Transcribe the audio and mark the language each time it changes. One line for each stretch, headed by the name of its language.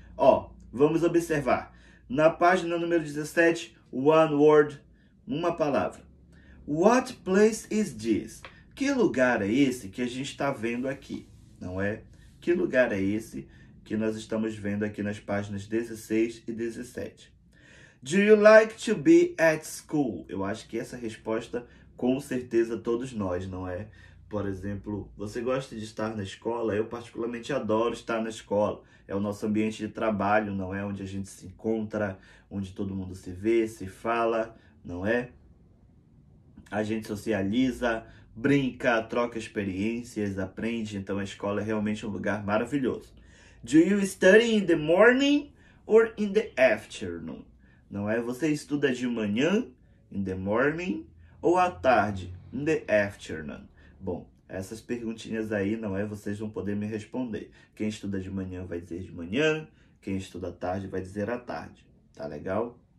Portuguese: Ó, vamos observar. Na página número 17,
English: one word,
Portuguese: uma palavra.
English: What place is this?
Portuguese: Que lugar é esse que a gente está vendo aqui, não é? Que lugar é esse que nós estamos vendo aqui nas páginas 16 e 17?
English: Do you like to be at school?
Portuguese: Eu acho que essa resposta, com certeza, todos nós, não é? Por exemplo, você gosta de estar na escola? Eu particularmente adoro estar na escola. É o nosso ambiente de trabalho, não é? Onde a gente se encontra, onde todo mundo se vê, se fala, não é? A gente socializa, brinca, troca experiências, aprende. Então, a escola é realmente um lugar maravilhoso.
English: Do you study in the morning or in the afternoon?
Portuguese: Não é? Você estuda de manhã,
English: in the morning,
Portuguese: ou à tarde,
English: in the afternoon?
Portuguese: Bom, essas perguntinhas aí, não é? Vocês vão poder me responder. Quem estuda de manhã vai dizer de manhã. Quem estuda à tarde vai dizer à tarde. Tá legal?